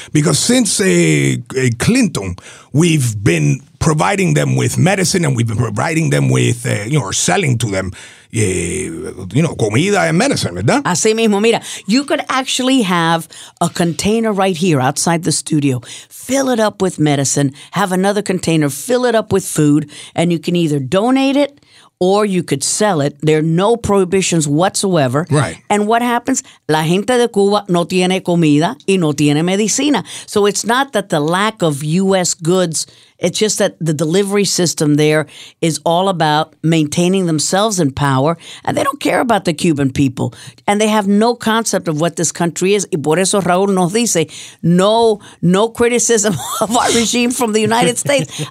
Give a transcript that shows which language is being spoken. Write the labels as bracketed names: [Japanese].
[English] Because since Clinton, we've been providing them with medicine and we've been providing them with, you know, or selling to them, you know, [Spanish] comida [English] and medicine, right? [Spanish] Así mismo, mira, [English] you could actually have a container right here outside the studio, fill it up with medicine, have another container, fill it up with food, and you can either donate it or you could sell it. There are no prohibitions whatsoever. Right. And what happens? [Spanish] La gente de Cuba no tiene comida y no tiene medicina. [English] So it's not that the lack of U.S. goods, it's just that the delivery system there is all about maintaining themselves in power, and they don't care about the Cuban people. And they have no concept of what this country is. [Spanish] Y por eso Raúl nos dice, [English] no criticism of our regime from the United States.